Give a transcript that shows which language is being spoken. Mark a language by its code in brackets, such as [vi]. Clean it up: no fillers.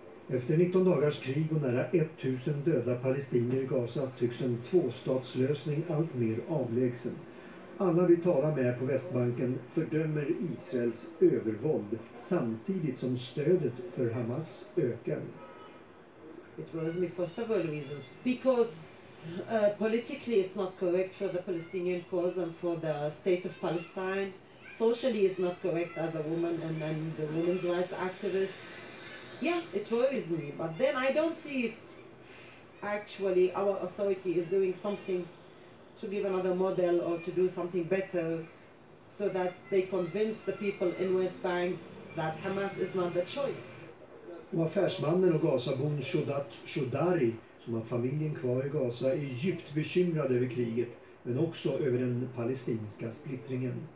[sv] Efter 19 dagars krig och nära 1000 döda palestinier i Gaza tycks en tvåstatslösning allt mer avlägsen. Alla vi talar med på Västbanken fördömer Israels övervåld samtidigt som stödet för Hamas ökar. [en] It worries me for several reasons, because politically it's not correct for the Palestinian cause and for the state of Palestine. Socially it's not correct as a woman and the women's rights activist. Yeah, it worries me, but then I don't see if actually our authority is doing something to give another model or to do something better so that they convince the people in West Bank that Hamas is not the choice. [sv] Och affärsmannen och Gazabon Shodat Shodari, som har familjen kvar i Gaza, är djupt bekymrad över kriget, men också över den palestinska splittringen.